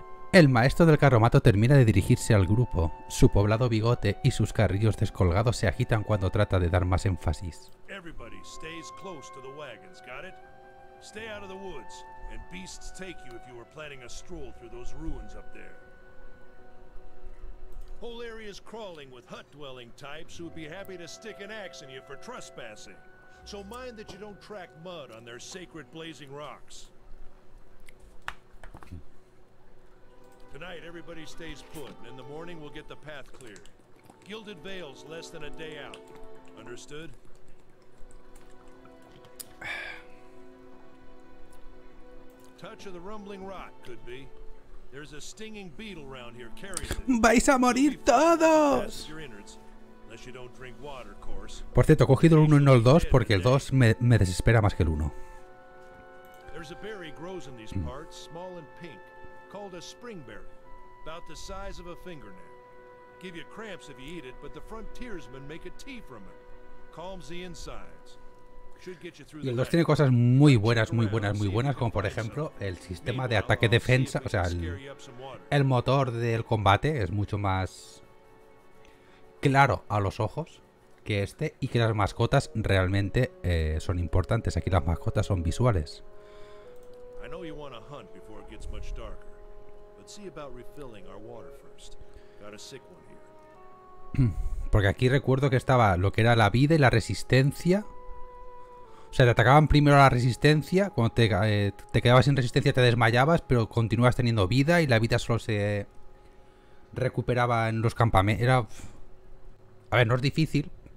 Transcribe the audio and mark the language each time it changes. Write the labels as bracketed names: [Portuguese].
[Spanish] El maestro del carromato termina de dirigirse al grupo. Su poblado bigote y sus carrillos descolgados se agitan cuando trata de dar más énfasis. [English] Everybody stays close to the wagons, got it? Stay out of the woods, and beasts take you if you were planning a stroll through those ruins up there. Whole area's crawling with hut-dwelling types who'd be happy to stick an axe in you for trespassing. So mind that you don't track mud on their sacred blazing rocks. Tonight everybody stays put, and in the morning we'll get the path clear. Gilded Veils less than a day out. Understood? Touch of the rumbling rot could be. There's a stinging beetle around here carrying. [Spanish] ¡Vais a morir todos! [English] Unless you don't drink water, of course. [Spanish] Por cierto, he cogido el 1 y no el 2 porque el 2 me desespera más que el 1. [English] There's a berry grows in these parts, small and pink. Called a springberry, about the size of a fingernail. Give you cramps if you eat it, but the frontiersmen make a tea from it. Calms the insides. Should get you through [Spanish] the. Y el 2 tiene cosas muy buenas, muy buenas, muy buenas, como por ejemplo el sistema de ataque-defensa, o sea, el motor del combate es mucho más claro a los ojos que este, y que las mascotas realmente son importantes. Aquí las mascotas son visuales. [English] I know you want to hunt before it gets much darker. See about refilling our water first. Got a sick one here. [Spanish] Porque aquí recuerdo que estaba lo que era la vida y la resistencia. O sea, te atacaban primero la resistencia. Cuando te quedabas sin resistencia, te desmayabas, pero continuabas teniendo vida y la vida solo se recuperaba en los campamentos. Era. A ver, no es difícil.